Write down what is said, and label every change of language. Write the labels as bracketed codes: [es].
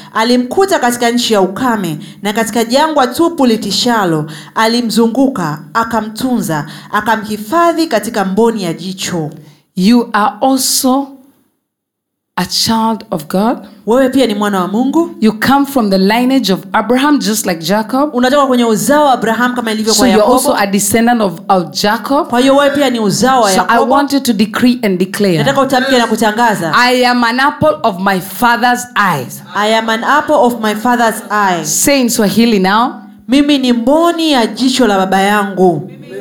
[sw] Alimkuta katika nchi ya ukame na katika jangwa tupu litishalo. Alimzunguka, akamtunza, akamhifadhi katika mboni ya jicho." [en] You are also a child of God. [sw] Wewe pia ni mwana wa Mungu. [en] You come from the lineage of Abraham, just like Jacob. [sw] Unatoka kwenye uzao wa Abraham kama ilivyo kwa Yakobo. [en] So you're also a descendant of Jacob. [sw] Kwa hiyo wewe pia ni uzao wa Yakobo. [en] So I want you to decree and declare. [sw] Nataka utamke na kutangaza. [en] I am an apple of my father's eyes. I am an apple of my father's eyes. Say in Swahili now. [sw] Mimi ni mboni ya jicho la baba yangu.